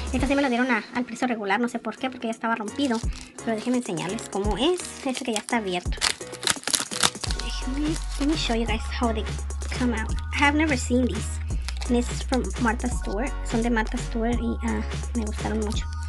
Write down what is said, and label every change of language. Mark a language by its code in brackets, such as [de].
[es] Esta sí me lo dieron al precio regular. No sé por qué, porque ya estaba rompido. Pero déjenme enseñarles cómo es. Este que ya está abierto. [en] Let me show you guys how they come out. I have never seen these. And this is from Martha Stewart. [es] Son de Martha Stewart y me gustaron mucho.